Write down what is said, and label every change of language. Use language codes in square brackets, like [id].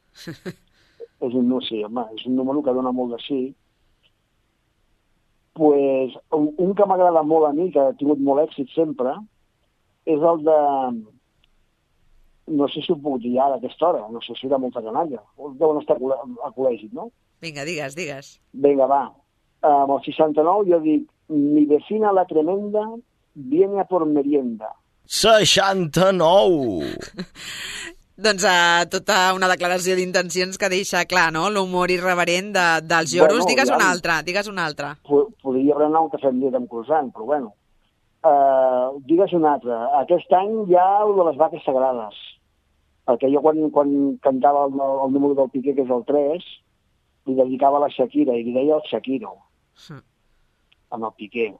[ca] És un, no, sí, home, és un número que dona molt de sí. Pues, un que m'agrada molt a mi, que ha tingut molt èxit sempre, és el de... No sé si ho puc dir ara, a aquesta hora, no sé si era molta canalla. Deuen estar a col·legi, no? Vinga, digues. Vinga, va. Amb el 69 jo dic: [es] mi vecina la tremenda viene a por merienda. [ca] 69! Doncs tota una declaració d'intencions que deixa clar, no?, l'humor irreverent dels lloros. Bueno, digues, ja, una altra, digues una altra. Podria anar un cafè amb llet amb croissant, però bueno. Digues una altra. Aquest any hi ha el de les vaques sagrades. Perquè jo quan cantava el número del Piqué, que és el 3, li dedicava a la Shakira i li deia el Shakiro. Amb el Piqué.